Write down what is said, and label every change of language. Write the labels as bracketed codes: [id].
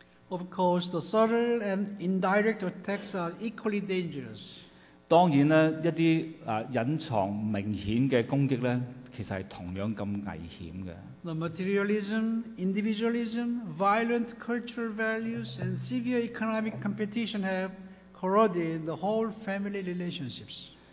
[en] Of course, the subtle and indirect attacks are equally dangerous. [zh] 當然呢,一些隱藏明顯的攻擊呢, 其實是同樣那麼危險的。 [en] The materialism, individualism, violent cultural values, and severe economic competition have corroded the whole family relationships.